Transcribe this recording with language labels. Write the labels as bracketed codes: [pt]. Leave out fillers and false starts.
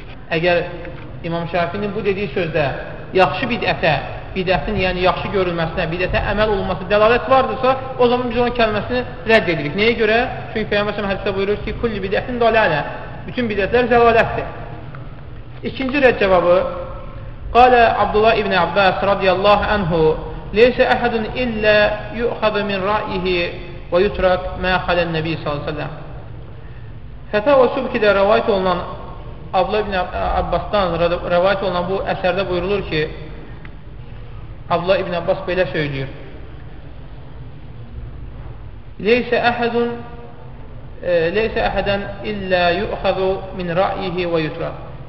[az] Əgər İmam Şafinin bu dediyi sözdə yaxşı bidətə, bidətin yəni yaxşı görülməsinə, bidətə əməl olunması dəlalət vardırsa, o zaman biz onun kəlməsini rədd edirik. Nəyə görə? Çünki Peyğəmbər s.ə.v-in hədisdə buyurur ki, [ar] "Kulli bidətin dalalə." [az] Bütün bidətlər zəlalətdir. İkinci rədd cavabı: [ar] قال عبد الله ابن عباس رضي الله عنه ليس احد الا يؤخذ من رايه ويترك ما قال النبي صلى الله عليه وسلم. [az] Fətəvə Subki-də rivayet olunan Abdullah ibn Abbas'dan rivayet olunan bu əsərdə buyurulur ki, Abdullah ibn Abbas belə söyləyir: [ar] ليس احدن الا يؤخذ من رايه ويترك.